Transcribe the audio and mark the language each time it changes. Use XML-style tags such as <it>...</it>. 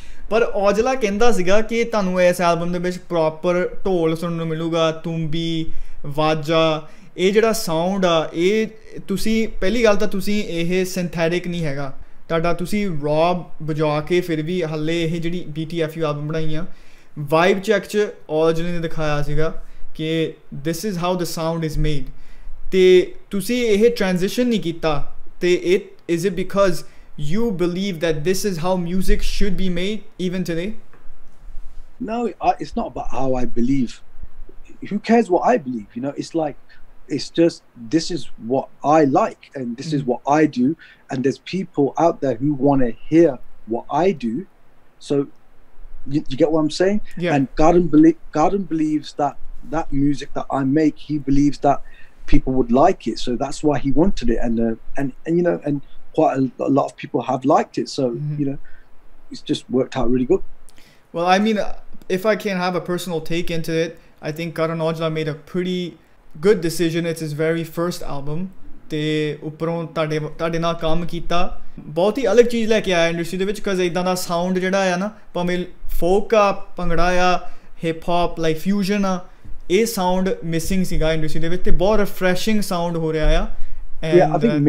<pa>ਪਰ ਔਜਲਾ ਕਹਿੰਦਾ ਸੀਗਾ ਕਿ ਤੁਹਾਨੂੰ ਇਸ ਐਲਬਮ ਦੇ ਵਿੱਚ ਪ੍ਰੋਪਰ ਢੋਲ ਸੁਣਨ ਨੂੰ ਮਿਲੂਗਾ ਤੂੰਬੀ ਵਾਜਾ ਇਹ ਜਿਹੜਾ ਸਾਊਂਡ ਆ ਇਹ ਤੁਸੀਂ ਪਹਿਲੀ ਗੱਲ ਤਾਂ ਤੁਸੀਂ ਇਹ ਸਿੰਥੈਟਿਕ ਨਹੀਂ ਹੈਗਾ ਤੁਹਾਡਾ ਤੁਸੀਂ ਰੌਬ ਵਜਾ ਕੇ ਫਿਰ ਵੀ ਹਾਲੇ ਇਹ ਜਿਹੜੀ BTFU ਐਲਬਮ ਬਣਾਈ ਆ ਵਾਈਬ ਚੈੱਕ 'ਚ ਔਜਲੇ ਨੇ ਦਿਖਾਇਆ ਸੀਗਾ ਕਿ</pa> <en>this is how the sound is made</en> <pa>ਅਤੇ ਤੁਸੀਂ ਇਹ ਟ੍ਰਾਂਜੈਕਸ਼ਨ ਨਹੀਂ ਕੀਤਾ ਅਤੇ</pa> <en>It is it because you believe that this is how music should be made even today no it's not about how I believe who cares what I believe you know it's like it's just this is what I like and this is what I do and there's people out there who want to hear what I do so you get what I'm saying yeah. and Karan believes that music that I make he believes that people would like it so that's why he wanted it and you know and quite a lot of people have liked it so you know it's just worked out really good well I mean if I can have a personal take into it I think Karan Aujla made a pretty good decision. It's his very first album.</en> <pa>ਅਤੇ ਉੱਪਰੋਂ ਤੁਹਾਡੇ ਤੁਹਾਡੇ ਨਾਲ ਕੰਮ ਕੀਤਾ ਬਹੁਤ ਹੀ ਅਲੱਗ ਚੀਜ਼ ਲੈ ਕੇ ਆਇਆ ਇੰਡਸਟਰੀ ਦੇ ਵਿੱਚ ਬਿਕੋਜ਼ ਇੱਦਾਂ ਦਾ ਸਾਊਂਡ ਜਿਹੜਾ ਆ ਨਾ ਭਾਵੇਂ ਫੋਕ ਆ ਭੰਗੜਾ ਆ ਹਿਪ ਹੋਪ ਲਾਈਕ ਫਿਊਜ਼ਨ ਆ ਇਹ ਸਾਊਂਡ ਮਿਸਿੰਗ ਸੀਗਾ ਇੰਡਸਟਰੀ ਦੇ ਵਿੱਚ ਅਤੇ ਬਹੁਤ ਰਿਫਰੈਸ਼ਿੰਗ ਸਾਊਂਡ ਹੋ ਰਿਹਾ ਆ</pa>